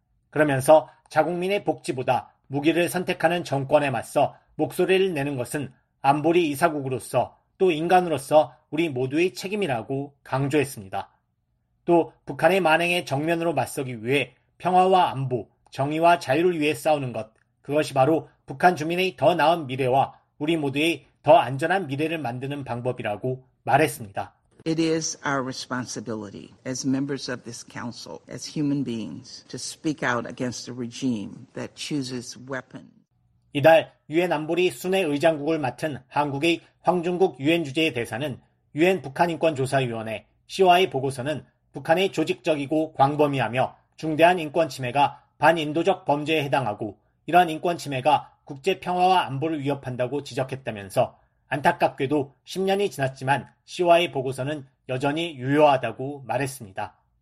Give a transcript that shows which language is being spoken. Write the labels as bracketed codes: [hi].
[ko] 그러면서 자국민의 복지보다 무기를 선택하는 정권에 맞서 목소리를 내는 것은 안보리 이사국으로서 또 인간으로서 우리 모두의 책임이라고 강조했습니다. 또 북한의 만행에 정면으로 맞서기 위해 평화와 안보, 정의와 자유를 위해 싸우는 것, 그것이 바로 북한 주민의 더 나은 미래와 우리 모두의 더 안전한 미래를 만드는 방법이라고 말했습니다. [en] It is our responsibility as members of this council, as human beings, to speak out against a regime that chooses weapons. [ko] 이달 유엔 안보리 순회 의장국을 맡은 한국의 황중국 유엔 주재 대사는 유엔 북한인권조사위원회 CY 보고서는 북한이 조직적이고 광범위하며 중대한 인권침해가 반인도적 범죄에 해당하고 이러한 인권침해가 국제평화와 안보를 위협한다고 지적했다면서 안타깝게도 10년이 지났지만 CY 보고서는 여전히 유효하다고 말했습니다.